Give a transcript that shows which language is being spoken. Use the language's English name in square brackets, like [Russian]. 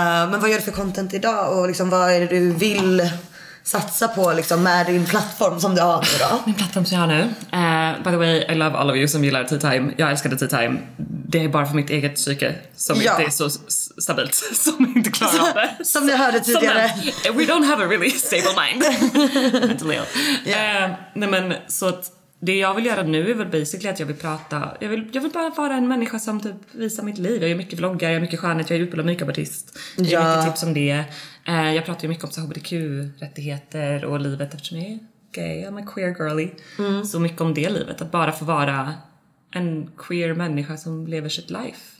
[Swedish] Men vad gör du för content idag? Och liksom, vad är det du vill... satsa på liksom med din plattform som du har nu då? Min plattform som jag har nu. [English] By the way, I love all of you [Swedish] som gillar Tea Time. Jag älskade Tea Time. Det är bara för mitt eget psyke som, ja, inte är så stabilt. Som inte klarar av det. Som jag hörde tidigare. [English] We don't have a really stable mind. Mentally ill. Yeah. [Swedish] Nej men så att det jag vill göra nu är väl basically att jag vill prata. Jag vill bara vara en människa som typ visar mitt liv. Jag gör mycket vloggar, jag är mycket skönhet, jag är utbildad makeupartist. Jag har mycket tips om det. Jag pratar ju mycket om så HBTQ-rättigheter och livet eftersom jag är gay. [English] I'm a queer girlie. [Swedish] Mm. Så mycket om det livet. Att bara få vara en queer människa som lever sitt life.